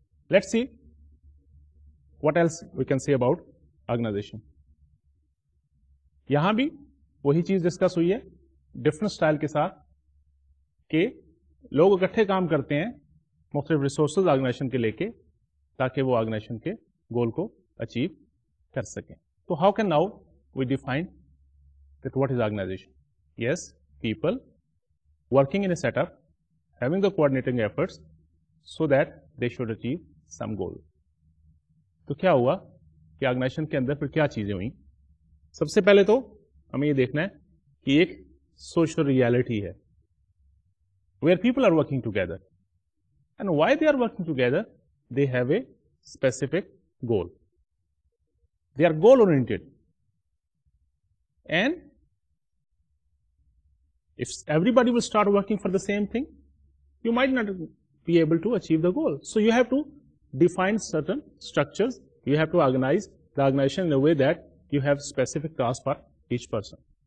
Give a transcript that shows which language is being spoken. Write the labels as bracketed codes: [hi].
[en] Let's see what else we can see about organization. [ur] یہاں بھی وہی چیز ڈسکس ہوئی ہے, ڈفرنٹ اسٹائل کے ساتھ, کہ لوگ اکٹھے کام کرتے ہیں مختلف ریسورسز آرگنائزیشن کے لے کے, تاکہ وہ آرگنائزیشن کے گول کو اچیو کر سکیں. [en] تو how can now we define that what is organization? Yes, people working in a set up having the coordinating efforts so that they should achieve some goal. [ur] تو کیا ہوا کہ آرگنائزیشن کے اندر پھر کیا چیزیں ہوئیں؟ سب سے پہلے تو ہمیں یہ دیکھنا ہے کہ ایک سوشل ریالٹی ہے [en] Where people are working together, and why they are working together, they have a specific goal. They are goal-oriented. And if everybody will start working for the same thing, you might not be able to achieve the goal. So you have to define certain structures You have to organize the organization in a way that you have specific tasks for each person.